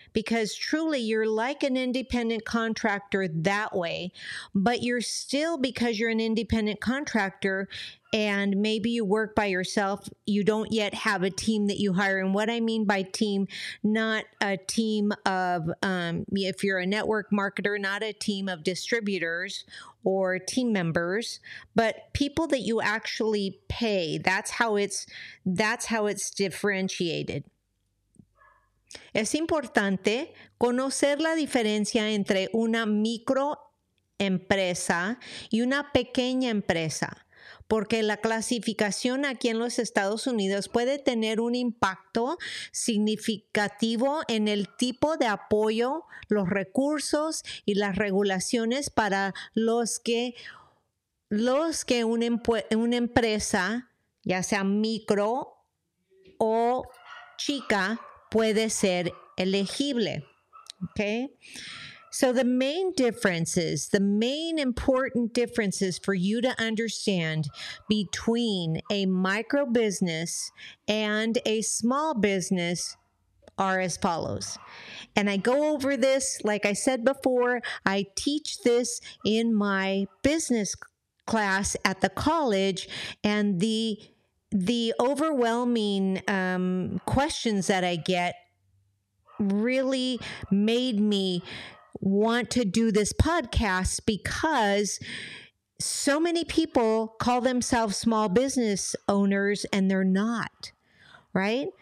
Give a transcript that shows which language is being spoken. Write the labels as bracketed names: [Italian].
[English] because truly you're like an independent contractor that way, but you're still, because you're an independent contractor and maybe you work by yourself, you don't yet have a team that you hire. And what I mean by team, not a team of, if you're a network marketer, not a team of distributors or team members, but people that you actually pay. That's how it's differentiated. [Spanish] Es importante conocer la diferencia entre una microempresa y una pequeña empresa, porque la clasificación aquí en los Estados Unidos puede tener un impacto significativo en el tipo de apoyo, los recursos y las regulaciones para los que una empresa, ya sea micro o chica, puede ser elegible. [English] Okay. So the main important differences for you to understand between a micro business and a small business are as follows. And I go over this, like I said before, I teach this in my business class at the college, and the overwhelming questions that I get really made me want to do this podcast, because so many people call themselves small business owners and they're not, right?